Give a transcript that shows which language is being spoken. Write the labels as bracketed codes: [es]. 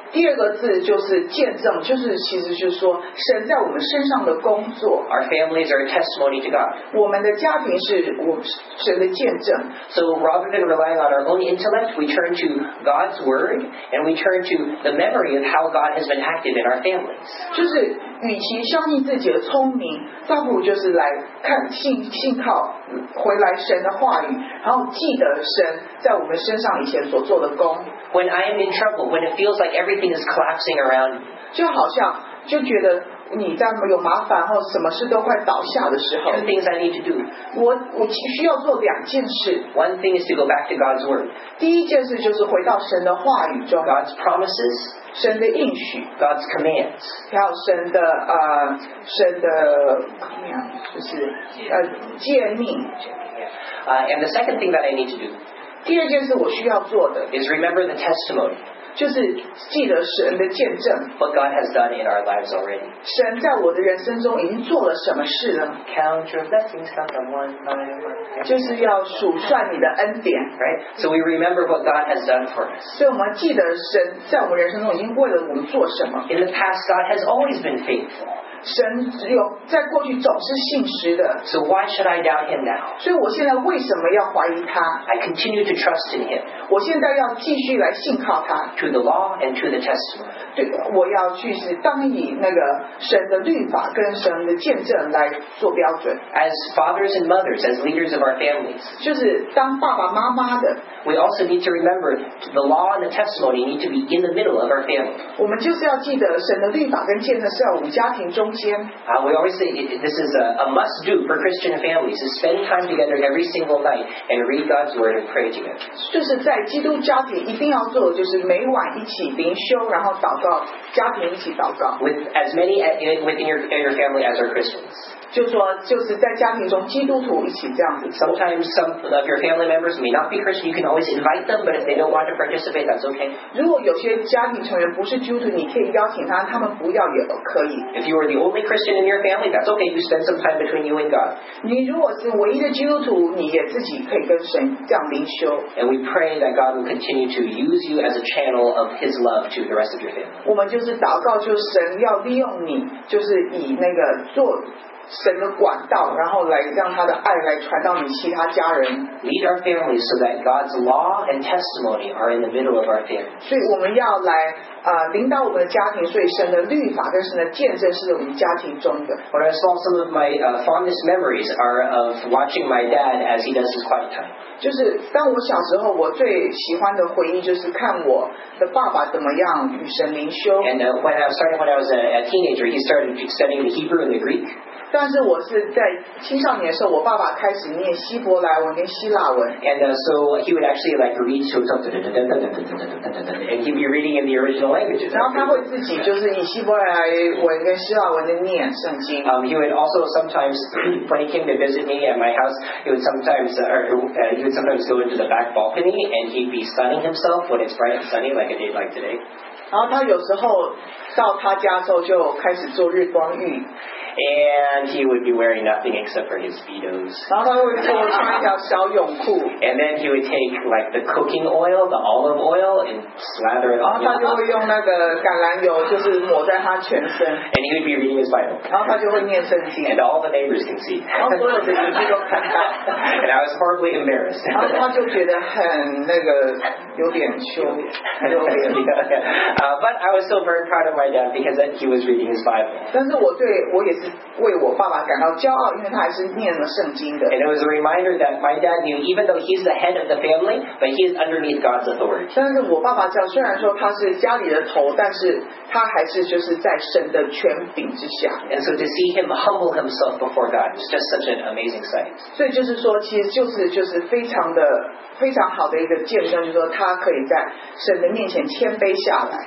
[zh] 第二个字就是见证，就是其实就是说神在我们身上的工作。 [en] Our families are a testimony to God. [zh] 我们的家庭是神的见证。 [en] So rather than relying on our own intellect, we turn to God's word and we turn to the memory of how God has been active in our families. [zh] 就是与其相信自己的聪明，倒不如就是来看信靠回来神的话语，然后记得神在我们身上以前所做的工。 [en] When I am in trouble, when it feels like everything is collapsing around, [zh] 就好像就觉得你在有麻烦或什么事都快倒下的时候。 [en] Two things I need to do. [zh] 我需要做两件事。 [en] One thing is to go back to God's word. [zh] 第一件事就是回到神的话语中。 [en] God's promises. [zh] 神的应许 [en] God's commands [zh] 还有神的神的就是诫命 [en] and the second thing that I need to do [zh] 第二件事我需要做的 [en] is remember the testimony [zh] 就是记得神的见证 [en] what God has done in our lives already [zh] 神在我的人生中已经做了什么事了 [en] count your blessings count them one by one [zh] 就是要数算你的恩典 [en] right so we remember what God has done for us [zh] 所以我们记得神在我们人生中已经为了我们做什么 [en] in the past God has always been faithful [zh] 神有在过去总是信实的 [en] So why should I doubt him now? [zh] 所以我现在为什么要怀疑他 [en] I continue to trust in him [zh] 我现在要继续来信靠他 [en] To the law and to the testimony [zh] 对我要去是当以那个神的律法跟神的见证来做标准 [en] As fathers and mothers, as leaders of our families [zh] 就是当爸爸妈妈的 [en] We also need to remember the law and the testimony need to be in the middle of our family [zh] 我们就是要记得神的律法跟见证是要我们家庭中 [en] We always say this is a must do for Christian families to spend time together every single night and read God's word and pray together. [zh] 就是在基督家庭一定要做的就是每晚一起灵修，然后祷告，家庭一起祷告。 [en] With as many within your family as are Christians. [zh] 就说就是在家庭中基督徒一起这样子 [en] Sometimes some of your family members may not be Christian You can always invite them But if they don't want to participate That's okay [zh] 如果有些家庭成员不是基督徒你可以邀请他他们不要也可以 [en] If you are the only Christian in your family That's okay You spend some time between you and God [zh] 你如果是唯一的基督徒你也自己可以跟神这样灵修 [en] And we pray that God will continue to use you As a channel of his love to the rest of your family [zh] 我们就是祷告就是神要利用你就是以那个做神的管道，然后来让他的爱来传到你其他家人。 [en] Lead our families so that God's law and testimony are in the middle of our family. [zh] 所以我们要来领导我们的家庭，所以神的律法跟神的见证是我们家庭中的。 [en] But I saw some of my fondest memories are of watching my dad as he does his quiet time. [zh] 就是当我小时候，我最喜欢的回忆就是看我的爸爸怎么样与神灵修。 [en] And when I was a teenager, he started studying the Hebrew and the Greek. [zh] 但是我是在青少年的时候，我爸爸开始念希伯来文跟希腊文。 [en] And so he would actually like read to us, and he'd be reading in the original languages. [zh] 然后他会自己就是以希伯来文跟希腊文的念圣经。 [en] He would also sometimes when he came to visit me at my house, he would sometimes go into the back balcony and he'd be sunning himself when it's bright and sunny like a day like today. [zh] 然后他有时候到他家之后就开始做日光浴。 [en] And he would be wearing nothing except for his speedos. [zh] 然后他会穿一条小泳裤。 [en] And then he would take like the cooking oil, the olive oil, and slather it on. [zh] 然后他就会用那个橄榄油，就是抹在他全身。 [en] And he would be reading his Bible. [zh] 然后他就会念圣经。 [en] And all the neighbors can see. [zh] 然后所有的邻居都看到。 [en] And I was horribly embarrassed. [zh] 然后他就觉得很那个有点羞 [en] But I was still very proud of my dad because he was reading his Bible. [zh] 但是我对我也是。为我爸爸感到骄傲，因为他还是念了圣经的。 [en] And it was a reminder that my dad knew, even though he's the head of the family, but he's underneath God's authority. [zh] 但是我爸爸知道，虽然说他是家里的头，但是他还是就是在神的权柄之下。 [en] And so to see him humble himself before God is just such an amazing sight. [zh] 所以就是说，其实就是非常的非常好的一个见证，就是说他可以在神的面前谦卑下来。